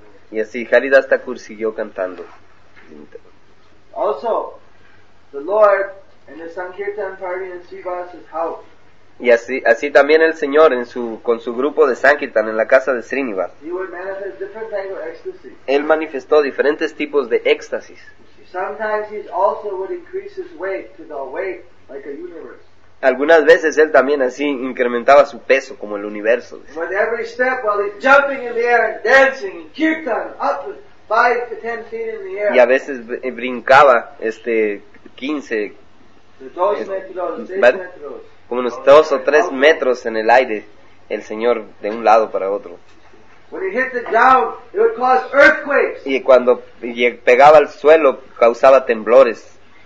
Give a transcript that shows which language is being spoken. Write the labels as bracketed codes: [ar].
[es] Y así Haridas Thakur siguió cantando. [en] Also, the Lord in the Sankirtan party in Srinivas's house. [es] Y así también el Señor con su grupo de Sankirtan en la casa de Srinivas. [en] He would manifest different types of ecstasy. [es] Él manifestó diferentes tipos de éxtasis. [en] Sometimes he also would increase his weight to the weight like a universe. [es] Algunas veces él también así incrementaba su peso como el universo. [en] With every step while he's jumping in the air and dancing in Kirtan up. 5 to 10 feet in the air. [es] Y a veces brincaba 15 metros, como unos 2 o 3 metros en el aire el Señor de un lado para otro. [en] When he hit the ground, it would cause earthquakes. [es] Y cuando pegaba al suelo causaba temblores.